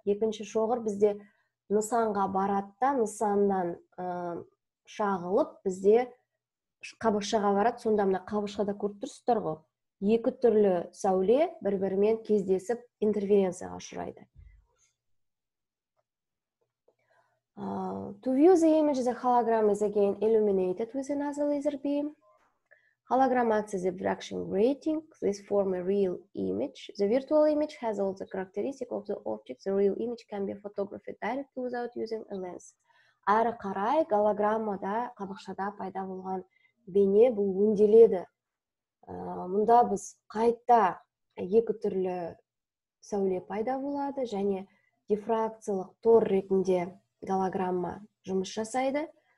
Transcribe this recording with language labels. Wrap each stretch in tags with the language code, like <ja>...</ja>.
<kk>Екінші шоғыр бізде нысанға барады да, нысаннан шағылып бізде қабықшаға барады. Сонда мына қабықшада көріп тұрсыздар ғой. Екі түрлі сәуле бір-бірімен кездесіп интерференцияға ұшырайды.</kk> <en>To view the image, the hologram is again illuminated with another laser beam. Hologram acts as a refraction grating. This forms a real image. The virtual image has all the characteristics of the object. The real image can be photographed directly without using a lens.</en> <kk>Ары қарай, голограммада, қабықшада пайда болған бейне бұл өнделеді. Мұнда біз қайта екі түрлі сәуле пайда болады, және дифракциялық тор ретінде голограмма жұмыс жасайды.</kk>